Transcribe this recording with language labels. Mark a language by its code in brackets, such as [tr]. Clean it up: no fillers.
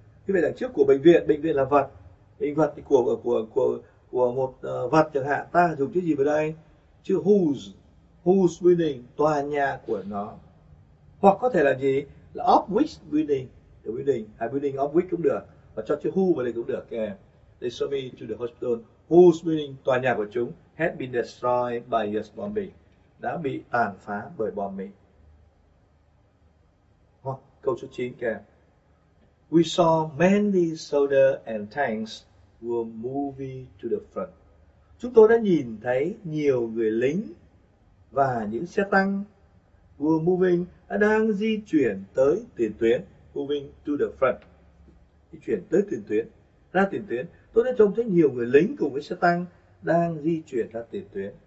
[vi] Như vậy đằng trước của bệnh viện là vật. Bệnh vật thì của một vật chẳng hạn, ta dùng chữ gì vào đây? Chữ whose. [en] Whose building, [vi] tòa nhà của nó. Hoặc có thể là gì? [en] Là of which building. Building, à, building of which [vi] cũng được. Và cho chữ who vào đây cũng được. [en] Okay. They show me to the hospital whose building, [vi] tòa nhà của chúng, [en] had been destroyed by US bombing. [vi] Đã bị tàn phá bởi bom Mỹ. Hoặc câu số 9 kìa. [en] We saw many soldiers and tanks were moving to the front. [vi] Chúng tôi đã nhìn thấy nhiều người lính và những xe tăng [en] were moving, [vi] đã đang di chuyển tới tiền tuyến. [en] Moving to the front. [vi] Di chuyển tới tiền tuyến. Ra tiền tuyến. Tôi đã trông thấy nhiều người lính cùng với xe tăng đang di chuyển ra tiền tuyến.